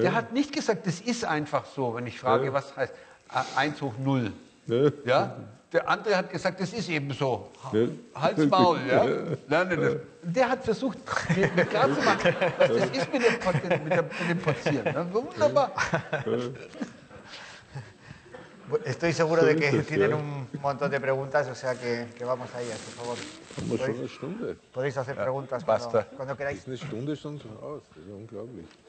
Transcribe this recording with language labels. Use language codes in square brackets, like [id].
[de] Der hat nicht gesagt, das ist einfach so, wenn ich frage, was heißt 1 hoch 0. Ja. Ja? Der andere hat gesagt, das ist eben so. Halt's Maul, ja? Lerne das. Der hat versucht, mir klarzumachen, was das ist mit dem Potenzieren. Ja, wunderbar. [es] Estoy seguro de que tienen un montón de preguntas, o sea que vamos a ir, por favor. [de] Haben wir schon eine Stunde? [es] Podéis hacer preguntas cuando queráis. [de] Eine Stunde schon so aus, das ist unglaublich.